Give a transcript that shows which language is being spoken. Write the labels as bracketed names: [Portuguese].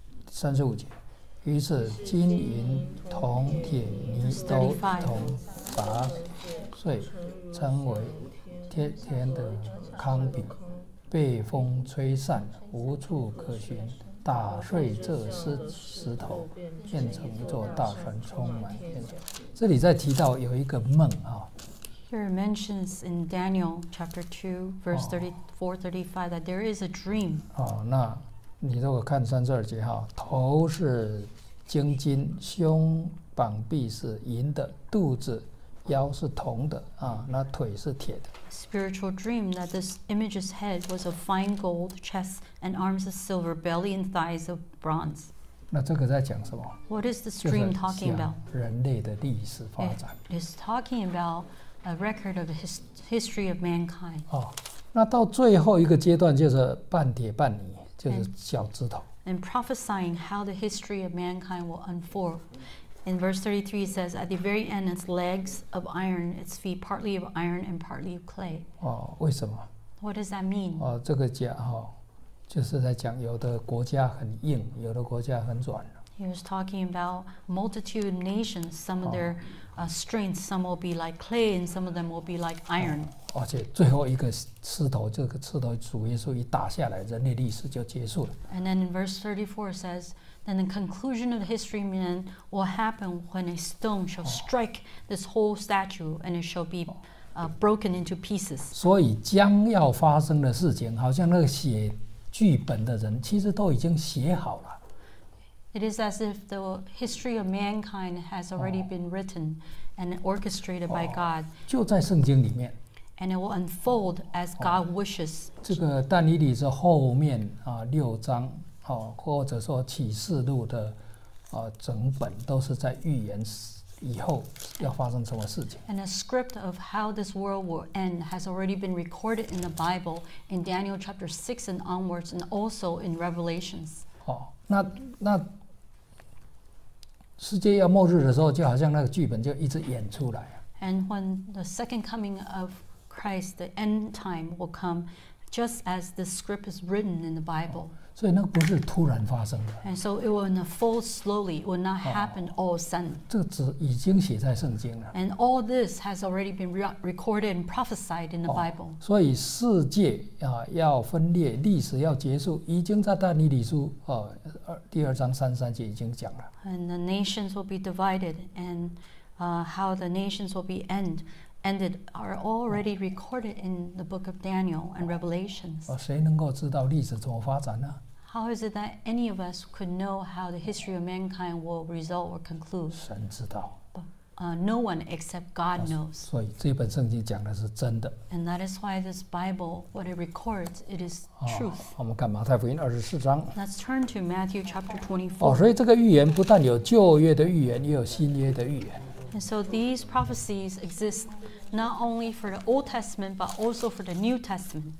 [Chinese] 三十五节，于是金银铜铁泥都一同砸碎，成为天的糠饼，被风吹散，无处可寻。打碎这石头，变成一座大山，充满天地。这里在提到有一个梦 [English] Here it mentions in Daniel chapter 2, verse 34-35, that there is a dream. [Chinese] 那你如果看三十二节头是金金，胸膀臂是银的，肚子腰是铜的，那腿是铁的。 [English] Spiritual dream that this image's head was of fine gold, chest and arms of silver, belly and thighs of bronze. [Chinese] 那这个在讲什么？ [English] What is this dream talking about? [Chinese] 人类的历史发展。 [English] It is talking about... A record of the history of mankind. [Chinese] 那到最后一个阶段就是半铁半泥，就是脚趾头。 [English] And prophesying how the history of mankind will unfold. In verse 33 it says, at the very end, its legs of iron, its feet partly of iron and partly of clay. [Chinese] 为什么？ [English] What does that mean? [Chinese] 这个讲就是在讲有的国家很硬，有的国家很软。 [English] He was talking about multitude of nations, some of their strength, some will be like clay and some of them will be like iron. [Chinese] 而且最后一个刺头，这个刺头主耶稣一打下来，人类历史就结束了。 [English] And then in verse 34 says, then the conclusion of the history man will happen when a stone shall strike this whole statue and it shall be broken into pieces. [Chinese] 所以将要发生的事情，好像那个写剧本的人其实都已经写好了。 [English] It is as if the history of mankind has already been written and orchestrated by God. [Chinese] 就在圣经里面。 [English] And it will unfold as God wishes. [Chinese] 这个但以理是后面六章或者说启示录的整本都是在预言以后要发生什么事情。 [English] And a script of how this world will end has already been recorded in the Bible in Daniel chapter 6 and onwards and also in Revelations. [Chinese] 那世界要末日的时候，就好像那个剧本就一直演出来。 [English] And when the second coming of Christ, the end time will come, just as the script is written in the Bible. [Chinese] 所以那不是突然发生的。 [English] And so it will unfold slowly, it will not happen all of a sudden. [Chinese] 这个纸已经写在圣经了。 [English] And all this has already been recorded and prophesied in the Bible. [Chinese] 所以世界要分裂，历史要结束，已经在但以理书第二章三十三节已经讲了。 [English] And the nations will be divided, and how the nations will be ended are already recorded in the book of Daniel and Revelations. [Chinese] 谁能够知道历史怎么发展呢？ [English] How is it that any of us could know how the history of mankind will result or conclude? [Chinese] 神知道。 [English] No one except God knows. [Chinese] 所以这本圣经讲的是真的。 [English] And that is why this Bible, what it records, it is truth. [Chinese] 我们看马太福音二十四章。 [English] Let's turn to Matthew chapter 24. [Chinese] 所以这个预言不但有旧约的预言，也有新约的预言。 [English] And so these prophecies exist not only for the Old Testament, but also for the New Testament.